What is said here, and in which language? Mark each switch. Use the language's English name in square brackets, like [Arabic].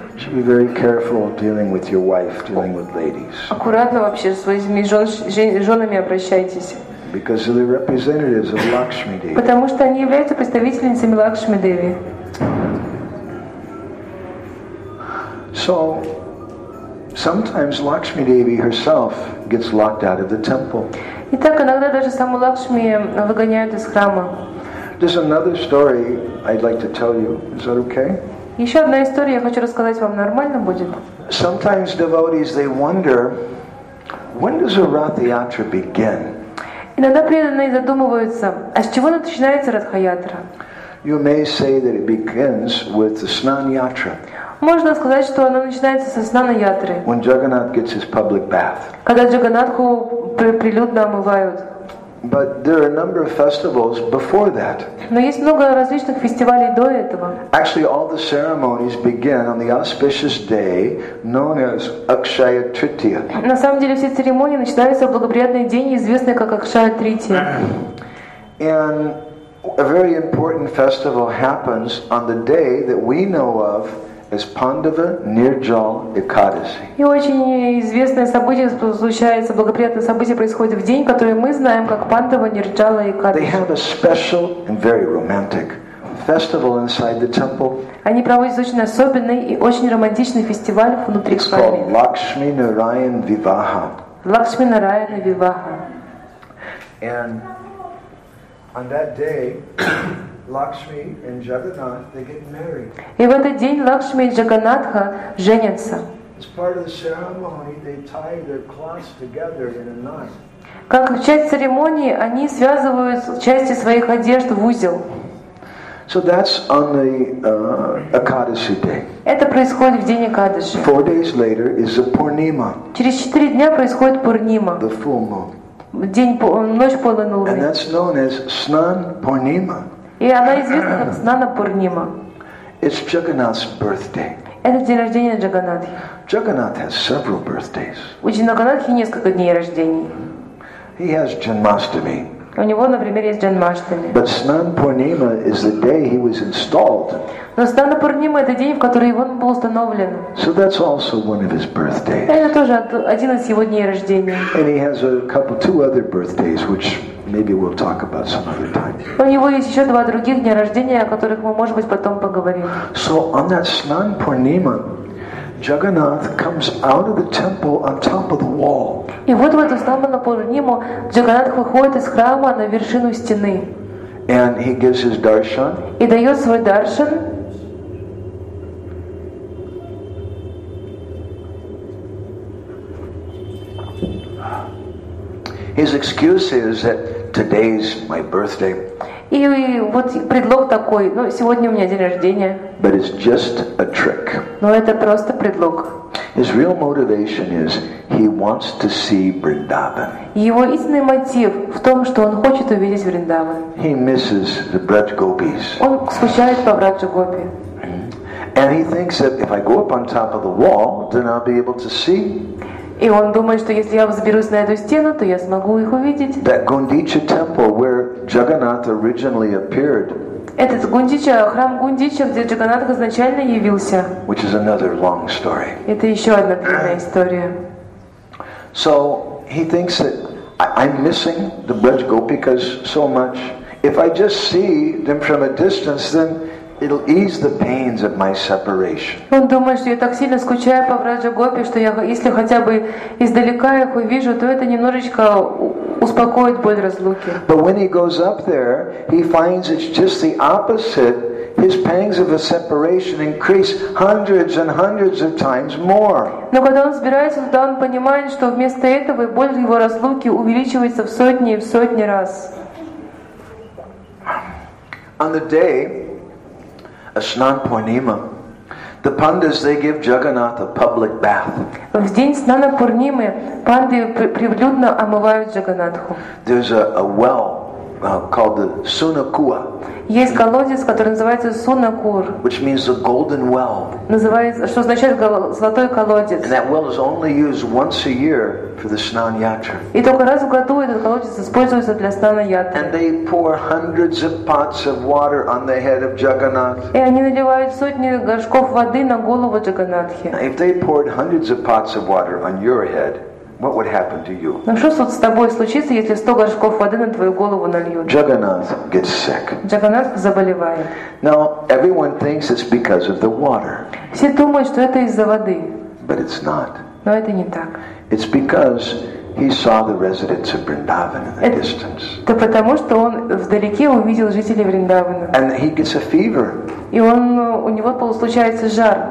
[English] Should be very careful dealing with your wife, dealing with ladies. [Russian] Аккуратно вообще со своими женами обращайтесь. [English] Because they're representatives of Lakshmi Devi. [Russian] Потому что они являются представительницами Лакшми Деви. [English] So. Sometimes Lakshmi Devi herself gets locked out of the temple. [Russian] Итак, иногда даже саму Лакшми выгоняют из храма. [English] There's another story I'd like to tell you. Is that okay? [Russian] Еще одна история я хочу рассказать вам. Нормально будет? [English] Sometimes devotees they wonder, when does a Ратха-Ятра begin? [Russian] Иногда преданные задумываются, а с чего начинается Ратха-Ятра? [English] You may say that it begins with the Снан-Ятра. [Russian] Можно сказать, что оно начинается со Снана-Ятры. [English] When Jagannath gets his public bath. [Russian] Когда Джаганатху прилюдно омывают. [English] But there are a number of festivals before that. [Russian] Но есть много различных фестивалей до этого. [English] Actually, all the ceremonies begin on the auspicious day known as Akshaya Tritiya. [Russian] На самом деле все церемонии начинаются в благоприятный день, известный как Акшая Тритья. [English] And a very important festival happens on the day that we know of as Pandava Nirjal Ekadasi. [Russian] И очень известное событие случается, благоприятное событие происходит в день, который мы знаем как Пандава Нирджала Экадаси. [English] They have a special and very romantic festival inside the temple. [Russian] Они проводят очень особенный и очень романтичный фестиваль внутри храма. [English] It's called Lakshmi Narayan Vivaha. [Russian] Лакшми Нараян Виваха. [English] And on that day, Lakshmi and Jagannath they get married. [Russian] И в этот день Лакшми и Джаганатха женятся. [English] As part of the ceremony, they tie their cloths together in a knot. [Russian] Как часть церемонии, они связывают части своих одежд в узел. [English] So that's on the Ekadasi day. [Russian] Это происходит в день Экадаши. [English] 4 days later is the Purnima. [Russian] Через 4 дня происходит Пурнима. [English] The full moon. [Russian] День, ночь полной луны. [English] And that's known as Snan Purnima. [Russian] И она известна как Снана Пурнима. [English] It's Jagannath's birthday. [Russian] Это день рождения Джаганатхи. [English] Jagannath has several birthdays. [Russian] У Джаганатхи несколько дней рождений. [English] He has Janmashtami. [Russian] У него, например, есть Джанмаштами. [English] But Snan Purnima is the day he was installed. [Russian] Но Снана Пурнима это день, в который он был установлен. [English] So that's also one of his birthdays. [Russian] Это тоже один из его дней рождения. [English] And he has a couple, two other birthdays, which maybe we'll talk about some other time. [Russian] У него есть еще два других дня рождения, о которых мы, может быть, потом поговорим. [English] So on that Snan Purnima, Jagannath comes out of the temple on top of the wall. [Russian] И вот в эту Снана Пурниму Джаганнат выходит из храма на вершину стены. [English] And he gives his darshan. [Russian] И дает свой даршан. [English] His excuse is that today's my birthday. [Russian] И вот предлог такой, ну, сегодня у меня день рождения. [English] But it's just a trick. [Russian] Но это просто предлог. [English] His real motivation is he wants to see Vrindavan. [Russian] Его истинный мотив в том, что он хочет увидеть Вриндаван. [English] He misses the Braj Gopis. [Russian] Он скучает по Брадж Гопи. [English] And he thinks that if I go up on top of the wall, then I'll be able to see. [Russian] И он думает, что если я взберусь на эту стену, то я смогу их увидеть. [English] That Gundicha temple where Jagannath originally appeared. [Russian] Этот Гундича, храм Гундича, где Джаганнатх изначально явился. [English] Which is another long story. [Russian] Это еще одна длинная история. [English] So he thinks that I'm missing the Braj Gopikas so much. If I just see them from a distance, then it'll ease the pains of my separation. [Russian] Он думает, что я так сильно скучаю по Брадже Гопи, что я, если хотя бы издалека их увижу, то это немножечко успокоит боль разлуки. [English] But when he goes up there, he finds it's just the opposite. His pangs of a separation increase hundreds and hundreds of times more. [Russian] Но когда он собирается туда, он понимает, что вместо этого боль его разлуки увеличивается в сотни и в сотни раз. [English] On the day Asnan Purnima, the pandas, they give Jagannath a public bath. [Russian] В день Снана Пурнимы панды прилюдно омывают Джаганатху. [English] There's a well called the Sunakua. [Russian] Есть колодец, который называется Sunakur. [English] Which means the golden well. [Russian] Называется, что означает золотой колодец. [English] And that well is only used once a year for the Snan Yatra. [Russian] И только раз в году этот колодец используется для Снана Ятры. [English] And they pour hundreds of pots of water on the head of Jagannath. [Russian] И они наливают сотни горшков воды на голову Джаганатхи. [English] If they poured hundreds of pots of water on your head, what would happen to you? [Russian] Ну что с тобой случится, если 100 горшков воды на твою голову нальют? [English] Jagannath gets sick. [Russian] Джаганнат заболевает. [English] Now everyone thinks it's because of the water. [Russian] Все думают, что это из-за воды. [English] But it's not. [Russian] Но это не так. [English] It's because he saw the residents of Vrindavan in the distance. [Russian] Это потому, что он вдалеке увидел жителей Вриндавана. [English] And he gets a fever. [Russian] И он, у него получается жар.